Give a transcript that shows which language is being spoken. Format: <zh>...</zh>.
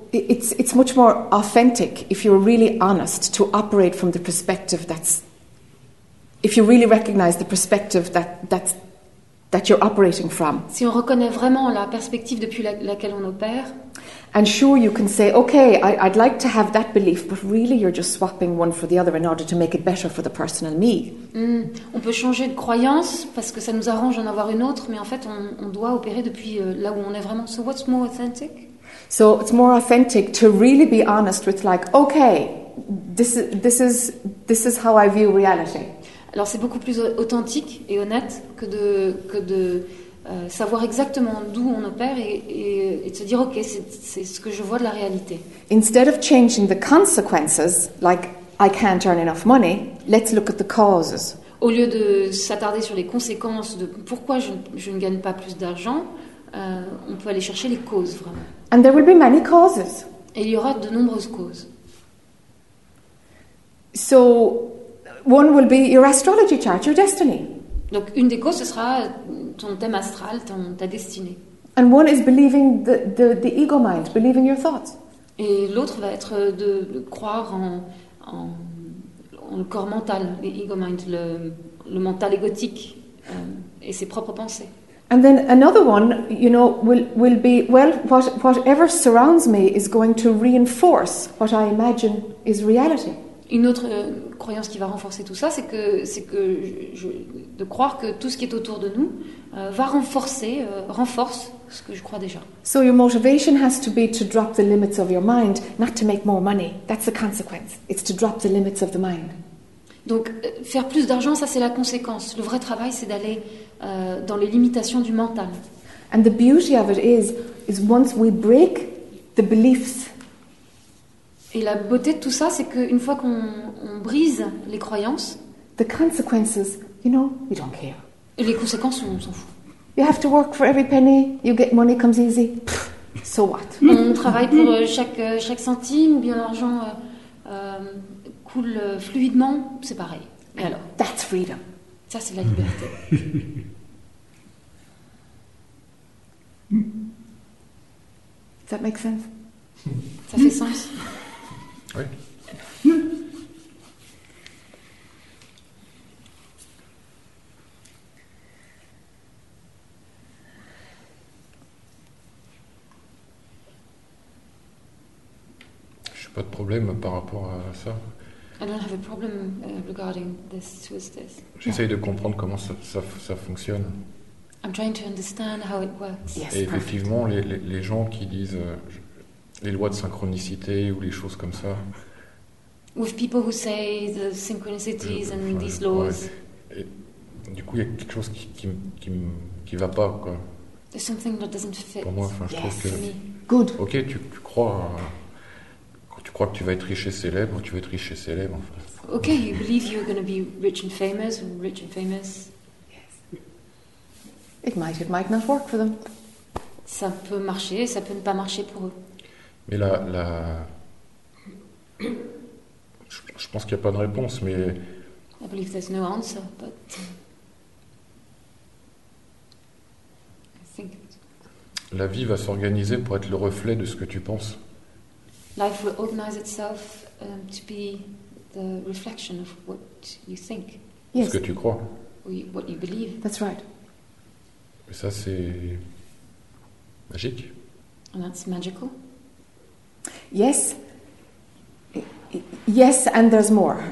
<en>It's much more authentic if you're really honest to operate from the perspective that's, if you really recognize the perspective that you're operating from.</en> <fr>Si on reconnaît vraiment la perspective depuis laquelle on opère.</fr> <en>And sure, you can say, okay, I'd like to have that belief, but really you're just swapping one for the other in order to make it better for the person and me. Mm.</en> <fr>On peut changer de croyance parce que ça nous arrange d'en avoir une autre, mais en fait on doit opérer depuis là où on est vraiment.</fr> <en>So what's more authentic? So it's more authentic to really be honest with, like, okay, this is how I view reality.</en> <fr>Alors c'est beaucoup plus authentique et honnête que de savoir exactement d'où on opère et de se dire, okay, c'est ce que je vois de la réalité.</fr> <en>Instead of changing the consequences, like I can't earn enough money, let's look at the causes.</en> <fr>Au lieu de s'attarder sur les conséquences de pourquoi je ne gagne pas plus d'argent. On peut aller chercher les causes vraiment.</fr> <en>And there will be many causes.</en> <fr>Et il y aura de nombreuses causes.</fr> <en>So one will be your astrology chart, your destiny.</en> <fr>Donc une des causes ce sera ton thème astral, ta destinée.</fr> <en>And one is believing the ego mind, believing your thoughts.</en> <fr>Et l'autre va être de croire en le corps mental,</fr> <en>the ego mind,</en> <fr>le mental égotique et ses propres pensées.</fr> <en>And then another one, you know, will be, well, whatever surrounds me is going to reinforce what I imagine is reality.</en> <fr>Une autre croyance qui va renforcer tout ça, c'est de croire que tout ce qui est autour de nous renforce ce que je crois déjà.</fr> <en>So your motivation has to be to drop the limits of your mind, not to make more money. That's the consequence. It's to drop the limits of the mind.</en> <fr>Donc, faire plus d'argent, ça c'est la conséquence. Le vrai travail, c'est d'aller dans les limitations du mental.</fr> <en>And the beauty of it is once we break the beliefs.</en> <fr>Et la beauté de tout ça, c'est qu'une fois qu'on brise les croyances,</fr> <en>the consequences, you know, we don't care.</en> <fr>Et les conséquences, on s'en fout.</fr> <en>You have to work for every penny, you get money comes easy. Pff, so what?</en> <fr>On travaille pour chaque centime, ou bien l'argent. Coule fluidement, c'est pareil. Et alors,</fr> <en>that's freedom.</en> <fr>Ça, c'est la liberté.</fr> <en>that make sense?</en> <fr>Ça fait sens. Oui. Pas de problème par rapport à ça.</fr> <en>I don't have a problem regarding this Swiss test.</en> <fr>J'essaye de comprendre comment ça fonctionne.</fr> <en>I'm trying to understand how it works. Yes,</en> <fr>et effectivement, les gens qui disent les lois de synchronicité ou les choses comme ça.</fr> <en>With people who say the synchronicities and these laws.</en> <fr>Et, du coup, il y a quelque chose qui va pas, quoi.</fr> <en>There's something that doesn't fit.</en> <fr>Pour moi, enfin, je trouve que.</fr> <en>Good.</en> <fr>Ok, tu crois. Tu crois que tu vas être riche et célèbre, tu veux être riche et célèbre, en fait.</fr> <en>Ok, you believe you're going to be rich and famous? Yes. It might not work for them.</en> <fr>Ça peut marcher, ça peut ne pas marcher pour eux. Mais la... Je pense qu'il n'y a pas de réponse, mais...</fr> <en>I believe there's no answer, but... I think...</en> <fr>La vie va s'organiser pour être le reflet de ce que tu penses.</fr> <en>Life will organize itself to be the reflection of what you think. Yes.</en> <fr>Ce que tu crois.</fr> <en>What you believe. That's right.</en> <fr>Et ça, c'est magique.</fr> <en>And that's magical. Yes. Yes, and there's more.</en>